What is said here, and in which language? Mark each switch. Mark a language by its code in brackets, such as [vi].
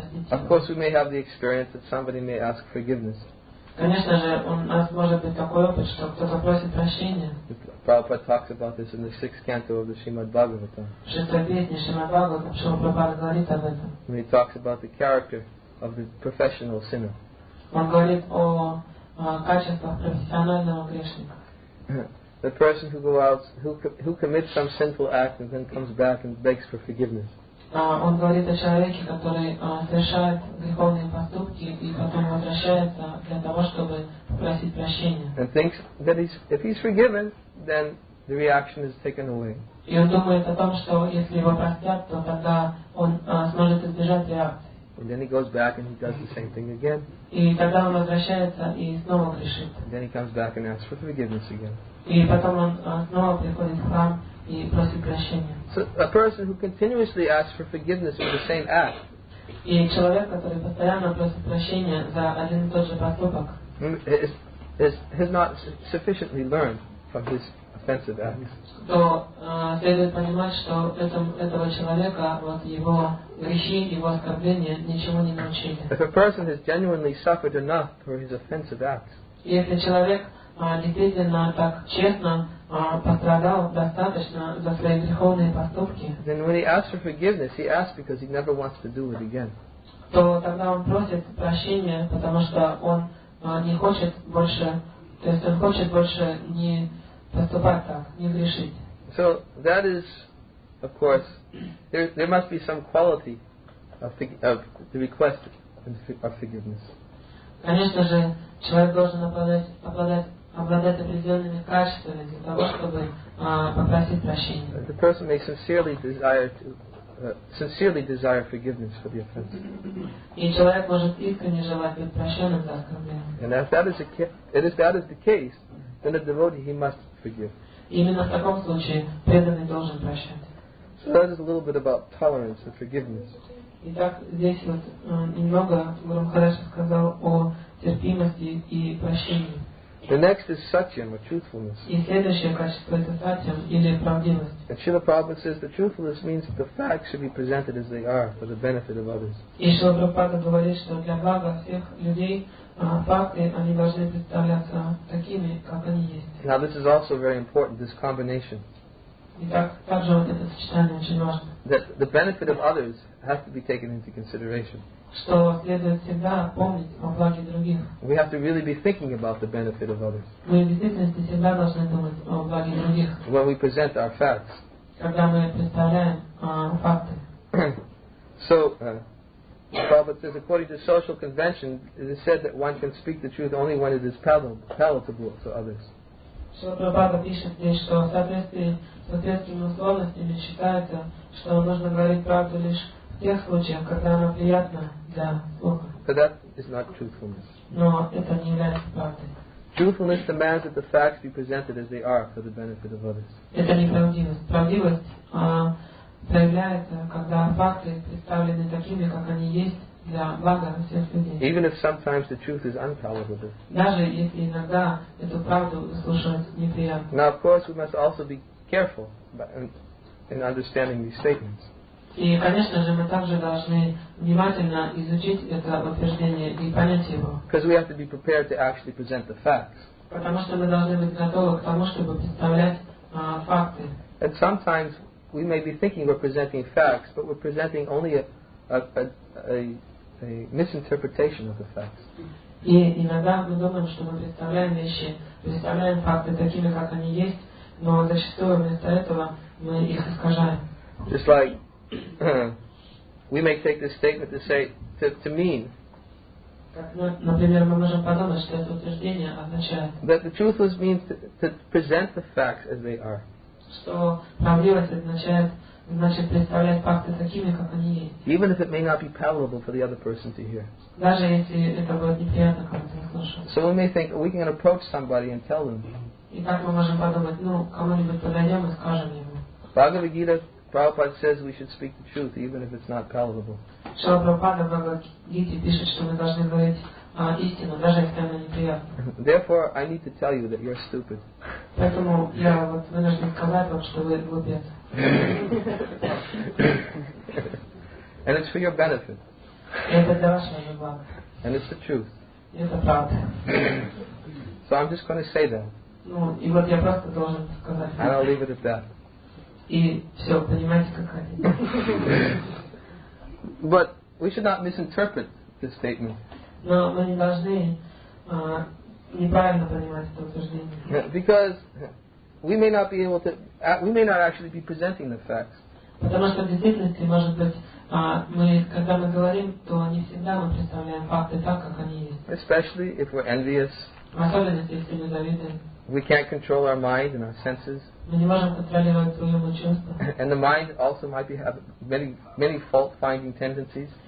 [en] Of course, we may have the experience that somebody may ask forgiveness. [ru] Конечно же, у нас может быть такой опыт, что кто-то просит прощения. [en] Prabhupada talks about this in the sixth canto of the Srimad Bhagavatam. When he talks about the character of the professional sinner. [ru] Он говорит о качествах профессионального грешника. [en] The person who goes out, who commits some sinful act and then comes back and begs for forgiveness. [ru] Он говорит о человеке, который совершает греховные поступки и потом возвращается для того, чтобы попросить прощения. [en] And thinks that if he's forgiven, then the reaction is taken away. [ru] И он думает о том, что если его простят, то тогда он сможет избежать реакции. [en] And then he goes back and he does the same thing again. [ru] И тогда он возвращается и снова грешит. [en] And then he comes back and asks for forgiveness again. [ru] И потом он снова приходит к вам и просит прощения. [en] So a person who continuously asks for forgiveness for the same act. [ru] И человек, который постоянно просит прощения за один и тот же поступок, [en] has not sufficiently learned from his offensive acts. [ru] То следует понимать, что этого человека вот его грехи, его оскорбления ничего не научили. [en] If a person has genuinely suffered enough for his offensive acts. [ru] Если человек действительно так честно пострадал достаточно за свои греховные поступки, [en] then when he asks for forgiveness, he asks because he never wants to do it again. [ru] То тогда он просит прощения, потому что он не хочет больше, то есть он хочет больше не поступать так, не грешить. [en] So that is, of course, there must be some quality of the request of forgiveness. [ru] Конечно же, человек должен обладать определенными качествами для того, чтобы попросить прощения. [en] The person may sincerely desire forgiveness for the offense. [ru] И человек может искренне желать быть прощенным за оскорбление. [en] And if that is the case, then a devotee he must forgive. [ru] Именно в таком случае преданный должен прощать. [en] So that is a little bit about tolerance and forgiveness. [ru] Итак, здесь вот немного Гуру Махарадж сказал о терпимости и прощении. [en] The next is satyam, or truthfulness. [ru] И следующее качество — это сатьям, или правдивость. [en] And Srila Prabhupada says that truthfulness means that the facts should be presented as they are for the benefit of others. [ru] И Шрила Прабхупада говорит, что для блага всех людей факты, они должны представляться такими, как они есть. [en] Now this is also very important, this combination. [ru] Итак, также вот это сочетание очень важно. [en] That the benefit of others has to be taken into consideration. [ru] Что следует всегда помнить о благе других. [en] We have to really be thinking about the benefit of others. [ru] Мы в действительности всегда должны думать о благе других. [en] When we present our facts. [ru] Когда мы представляем факты. [en] So, Prabhupada says, according to social convention, it is said that one can speak the truth only when it is palatable to others. [ru] Прабхупада пишет здесь, что в соответствии с условностями считается, что нужно говорить правду лишь в тех случаях, когда она приятна для слуха. [en] But that is not truthfulness. [ru] Но это не является правдой. [en] Truthfulness demands that the facts be presented as they are for the benefit of others. [ru] Это не правдивость. Правдивость проявляется, когда факты представлены такими, как они есть, для блага всех людей. [en] Even if sometimes the truth is unpalatable. [ru] Даже если иногда эту правду слушать неприятно. [en] Now of course we must also be careful in understanding these statements. [ru] И, конечно же, мы также должны внимательно изучить это утверждение и понять его. [en] Because we have to be prepared to actually present the facts. [ru] Потому что мы должны быть готовы к тому, чтобы представлять факты. [en] And sometimes we may be thinking we're presenting facts, but we're presenting only a misinterpretation of the facts. [ru] И иногда мы думаем, что мы представляем вещи, представляем факты такими, как они есть, но зачастую вместо этого мы их искажаем. [en] Just like we may take this statement to say to mean. [ru] Например, мы можем подумать, что это утверждение означает. [en] That the truthless means to present the facts as they are. [ru] Что правдивость означает, значит, представлять факты такими, как они есть. [en] Even if it may not be palatable for the other person to hear. [ru] Даже если это будет неприятно кому-то слушать. [en] So we may think we can approach somebody and tell them. [ru] И так мы можем подумать, ну, кому-нибудь подойдем и скажем ему. [en] Bhagavad Gita, Prabhupada says we should speak the truth, even if it's not palatable. [ru] Шрила Прабхупада в Бхагавад Гите пишет, что мы должны говорить истину, даже если она неприятна. [en] Therefore, I need to tell you that you're stupid. [ru] Поэтому я вот вынужден сказать вам, что вы глупец. [en] And it's for your benefit. [ru] Это для вашего же блага. [en] And it's the truth. [ru] Это правда. [en] So I'm just going to say that. [ru] Ну, и вот я просто должен сказать. [en] And I'll leave it at that. [ru] И все, понимаете, какая это. [en] But we should not misinterpret this statement. [ru] Но мы не должны неправильно понимать это утверждение. [en] Because we may not be able to, we may not actually be presenting the facts. [ru] Потому что в действительности, может быть, мы, когда мы говорим, то не всегда мы представляем факты так, как они есть. [en] Especially if we're envious. [ru] Особенно если мы завидуем. [en] We can't control our mind and our senses. [ru] Мы не можем контролировать свои чувства. [en] And the mind also might be have many many fault-finding tendencies.